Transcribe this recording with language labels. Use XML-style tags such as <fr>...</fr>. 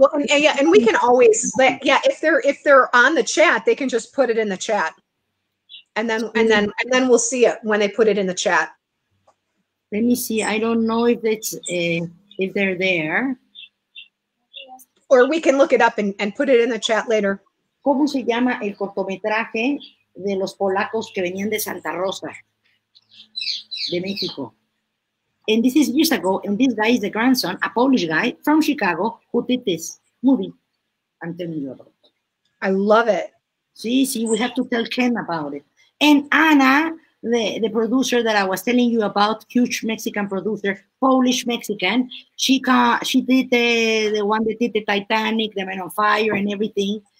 <en>Well, and we can always if they're on the chat, they can just put it in the chat, and then we'll see it when they put it in the chat. Let me see. I don't know if it's if they're there, or we can look it up and put it in the chat later.</en> <es>¿Cómo se llama el cortometraje de los polacos que venían de Santa Rosa, de México?</es> <en>And this is years ago, and this guy is the grandson, a Polish guy from Chicago, who did this movie. I'm telling you about it. I love it. Sí, we have to tell Ken about it. And Anna, the producer that I was telling you about, huge Mexican producer, Polish-Mexican, she did the one that did the Titanic, the Man on Fire, and everything.</en>